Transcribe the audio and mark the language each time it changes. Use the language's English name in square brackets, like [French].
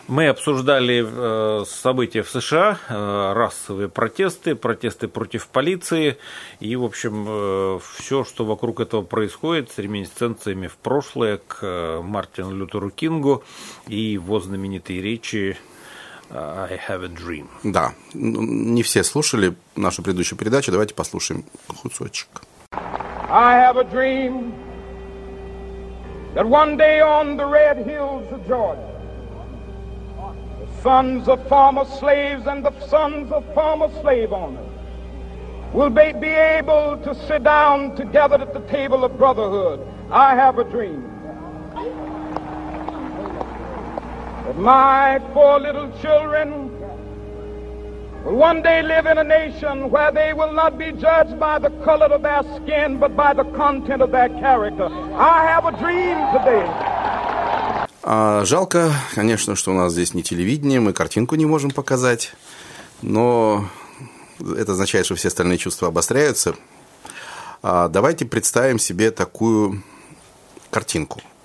[Russian] Мы обсуждали события в США, расовые протесты, протесты против полиции и, в общем, все, что вокруг этого происходит, с реминисценциями в прошлое к Мартину Лютеру Кингу и его знаменитой речи [English] «I have a dream». [Russian] Да, не все слушали нашу предыдущую передачу, давайте послушаем кусочек. [English] I have a dream that one day on the red hills of Georgia the sons of former slaves and the sons of former slave owners will be able to sit down together at the table of brotherhood. I have a dream. That my four little children will one day live in a nation where they will not be judged by the color of their skin, but by the content of their character. I have a dream today. [Russian] Жалко, конечно, что у нас здесь не телевидение, мы картинку не можем показать, но это означает, что все остальные чувства обостряются. Давайте представим себе такую картинку.